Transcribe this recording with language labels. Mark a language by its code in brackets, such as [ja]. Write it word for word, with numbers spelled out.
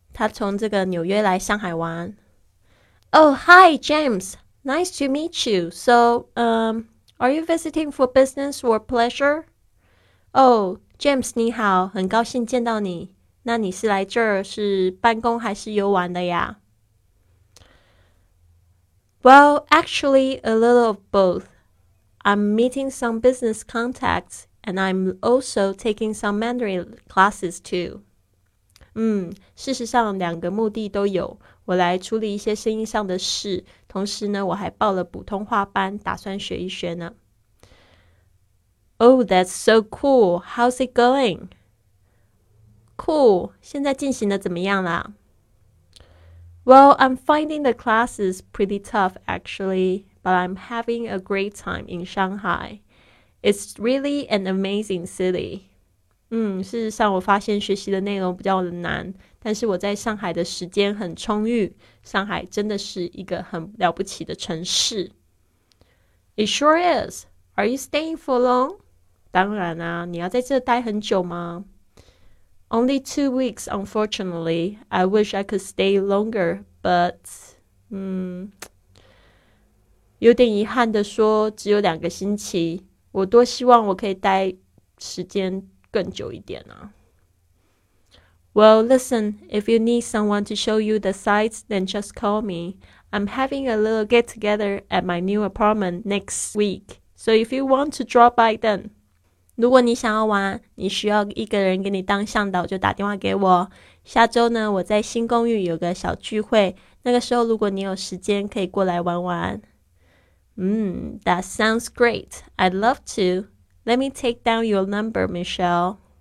[zh] 他从这个纽约来上海玩。 [en] Oh, hi, James. Nice to meet you. So, um, are you visiting for business or pleasure? [zh] Oh, James, 你好，很高兴见到你。那你是来这儿是办公还是游玩的呀？ [en] Well, actually, a little of both. I'm meeting some business contacts, and I'm also taking some Mandarin classes too. [zh] 嗯，事实上两个目的都有。我来处理一些生意上的事，同时呢，我还报了普通话班，打算学一学呢。 [en] Oh, that's so cool. How's it going? Cool. [zh] 现在进行的怎么样啦？ [en] Well, I'm finding the classes pretty tough, actually, but I'm having a great time in Shanghai. It's really an amazing city. [zh] 嗯，事实上我发现学习的内容比较难，但是我在上海的时间很充裕。上海真的是一个很了不起的城市。 [en] It sure is. Are you staying for long? [zh] 当然啊，你要在这待很久吗？ [en] Only two weeks, unfortunately. I wish I could stay longer, but... [zh] 嗯，有点遗憾的说，只有两个星期。我多希望我可以待时间更久一点啊。 [en] Well, listen, if you need someone to show you the sights, then just call me. I'm having a little get-together at my new apartment next week. So if you want to drop by then... [zh] 如果你想要玩，你需要一个人给你当向导，就打电话给我。下周呢，我在新公寓有个小聚会，那个时候如果你有时间，可以过来玩玩。 [en] 嗯 ，That sounds great. I'd love to. Let me take down your number, Michelle.